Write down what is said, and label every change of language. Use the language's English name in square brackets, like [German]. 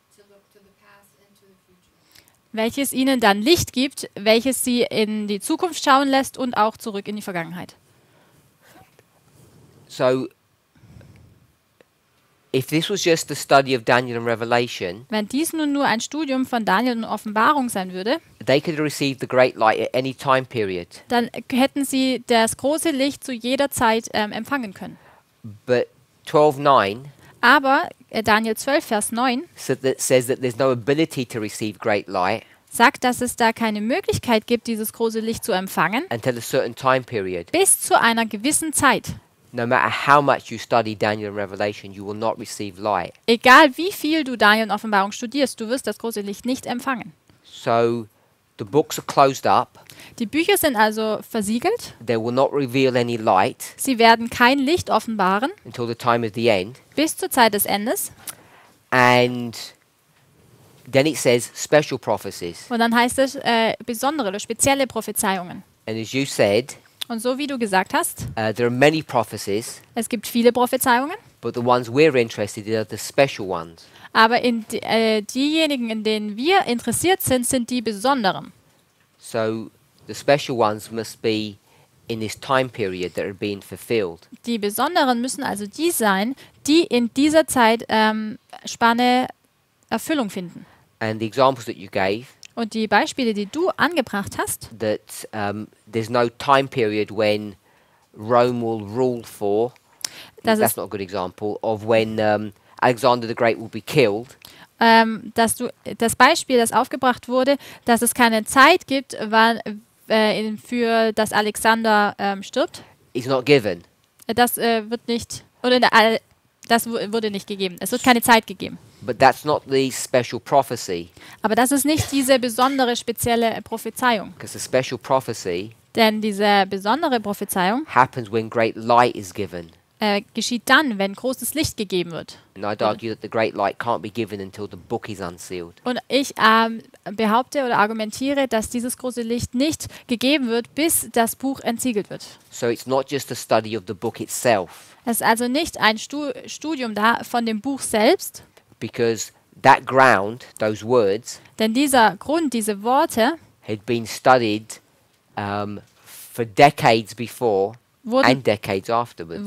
[English] look to the past and to the future. [German] Welches ihnen dann Licht gibt, welches sie in die Zukunft schauen lässt und auch zurück in die Vergangenheit. [English] So, if this was just the study of Daniel and Revelation, [German] wenn dies nun nur ein Studium von Daniel und Offenbarung sein würde, [English] they could receive the great light at any time period. [German] Dann hätten sie das große Licht zu jeder Zeit empfangen können. [English] But 12:9. [German] Aber Daniel 12, Vers 9 [English] says that there's no ability to receive great light, [German] sagt, dass es da keine Möglichkeit gibt, dieses große Licht zu empfangen, [English] until a certain time period. [German] Bis zu einer gewissen Zeit. [English] No matter how much you study Daniel and Revelation, you will not receive light. [German] Egal wie viel du Daniel und Offenbarung studierst, du wirst das große Licht nicht empfangen. [English] So, the books are closed up. [German] Die Bücher sind also versiegelt. [English] They will not reveal any light. [German] Sie werden kein Licht offenbaren. [English] Until the time of the end. [German] Bis zur Zeit des Endes. [English] And then it says special prophecies. [German] Und dann heißt es besondere oder spezielle Prophezeiungen. [English] And as you said. [German] Und so wie du gesagt hast, [English] there are many prophecies, [German] es gibt viele Prophezeiungen, [English] but the ones we're interested in are the special ones. [German] Aber in diejenigen, in denen wir interessiert sind, sind die besonderen. [English] So the special ones must be in this time period that are being fulfilled. [German] Die besonderen müssen also die sein, die in dieser Zeit Spanne Erfüllung finden. [English] And the examples that you gave, [German] und die Beispiele, die du angebracht hast, [English] that, there's no time period when Rome will rule for, that's not a good example, of when Alexander the Great will be killed. [German] Dass du das Beispiel, das aufgebracht wurde, dass es keine Zeit gibt, wann für dass Alexander stirbt. [English] It's not given. [German] Das wird nicht oder das wurde nicht gegeben. Es wird keine Zeit gegeben. [English] But that's not the special prophecy. [German] Aber das ist nicht diese besondere spezielle Prophezeiung. [English] Because the special prophecy, [German] denn diese besondere Prophezeiung, [English] happens when great light is given. [German] Geschieht dann, wenn großes Licht gegeben wird. [English] And I'd argue that the great light can't be given until the book is unsealed. [German] Und ich behaupte oder argumentiere, dass dieses große Licht nicht gegeben wird, bis das Buch entsiegelt wird. [English] So it's not just a study of the book itself. [German] Es ist also nicht ein Studium da von dem Buch selbst. [English] Because that ground, those words, [German] denn dieser Grund, diese Worte, [English] had been studied for decades before and decades afterwards.